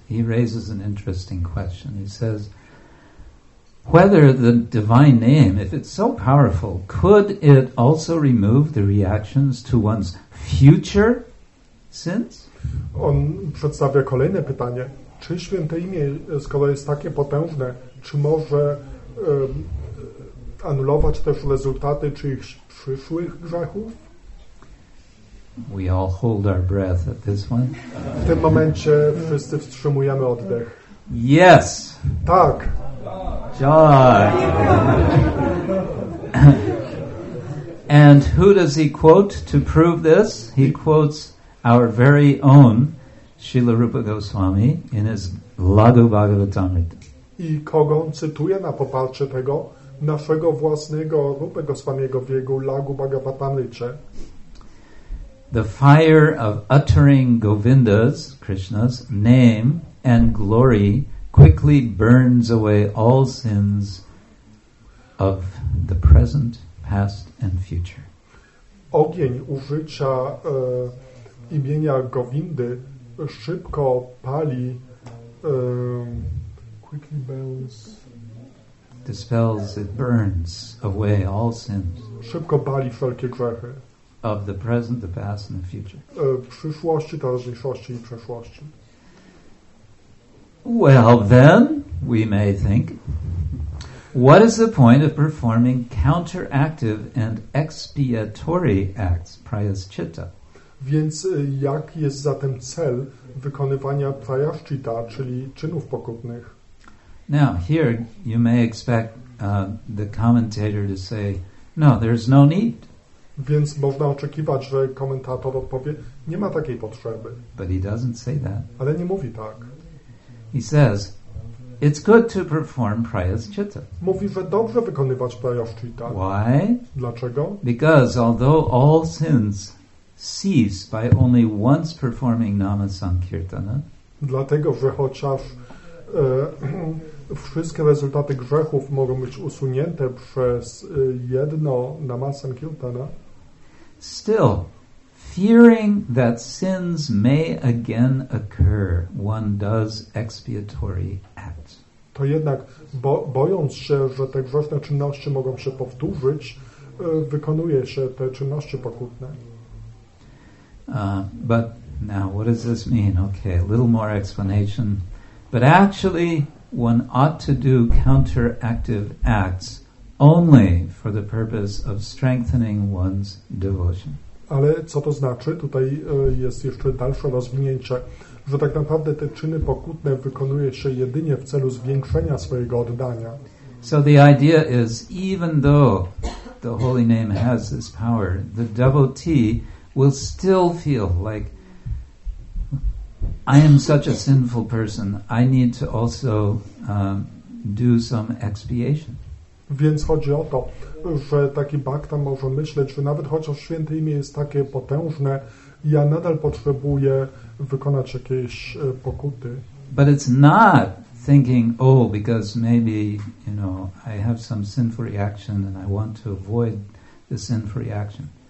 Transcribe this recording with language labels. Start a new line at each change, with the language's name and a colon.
English: He raises an interesting question. He says, whether the divine name, if it's so powerful, could it also remove the reactions to one's future sins?
Polish: On przedstawia kolejne pytanie. Czy święte imię, skoro jest takie potężne, czy może anulować też rezultaty czyichś przyszłych grzechów?
English: We all hold our breath at this one.
Polish: W tym momencie wszyscy wstrzymujemy oddech.
English: Yes.
Polish: Tak.
English: Joy. And who does he quote to prove this? He quotes our very own Srila Rupa Goswami in his Lagu Bhagavatamrita.
Polish: I kogo on cytuje na poparcie tego? Naszego własnego Rupa Goswamiego w jego Lagu Bhagavatamrita.
English: The fire of uttering Govinda's, Krishna's, name and glory quickly burns away all sins of the present, past, and future.
Polish: Ogień użycia imienia Govindy szybko pali.
English: Quickly burns. Dispels, it burns away all sins.
Polish: Szybko pali wszelkie grzechy.
English: of the present, the past, and the future.
Polish: Przyszłości, teraźniejszości i przeszłości.
English: Well, then, we may think, what is the point of performing counteractive and expiatory acts, prayaschitta?
Polish: Więc jak jest zatem cel wykonywania prayaschitta, czyli czynów pokutnych?
English: Now, here you may expect the commentator to say, no, there's no need.
Polish: Więc można oczekiwać, że komentator odpowie, nie ma takiej potrzeby.
English: But he doesn't say that.
Polish: Ale nie mówi tak.
English: He says, it's good to perform prayaschitta.
Polish: Mówi, że dobrze wykonywać prayaschitta.
English: Why?
Polish: Dlaczego?
English: Because although all sins cease by only once performing nama sankirtana.
Polish: Dlatego, że chociaż wszystkie rezultaty grzechów mogą być usunięte przez jedno nama sankirtana.
English: Still, fearing that sins may again occur, one does expiatory acts.
Polish: To jednak, bojąc się, że te grzeszne czynności mogą się powtórzyć, wykonuje się te czynności pokutne.
English: But now, what does this mean? Okay, a little more explanation. But actually, one ought to do counteractive acts only for the purpose of strengthening one's devotion.
Polish: Ale co to znaczy? Tutaj jest jeszcze dalsze rozwinięcie, że tak naprawdę te czyny pokutne wykonuje się jedynie w celu zwiększenia swojego oddania.
English: So the idea is, even though the holy name has this power, the devotee will still feel like, I am such a sinful person, I need to also do some expiation.
Polish: Więc chodzi o to, że taki bhakta może myśleć, że nawet chociaż święte imię jest takie potężne, ja nadal potrzebuję wykonać jakieś pokuty.
English: But it's not thinking, oh, because maybe, you know, I have some sinful reaction and I want to avoid the sinful reaction.